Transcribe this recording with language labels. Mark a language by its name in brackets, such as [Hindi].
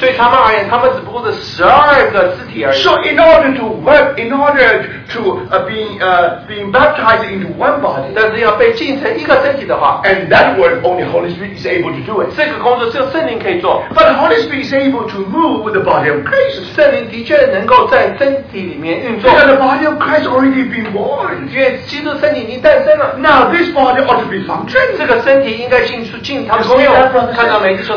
[Chinese] 对他们而言, 他们只不过是12个肢体而已, [English] so in order to work, in order to being baptized into one body, [Chinese] 但是要被浸成一个身体的话, [English] and that word only Holy Spirit is able to do it. [Chinese] 这个工作只有圣灵可以做, [English] but Holy Spirit is able to move with the body of Christ. [Chinese] 圣灵的确能够在身体里面运作, [English] because the body of Christ already been born. [Chinese] 因为基督身体已经诞生, [English] now this body ought to be functioning. [Chinese] 这个身体应该进出进他们公用。看到没？就说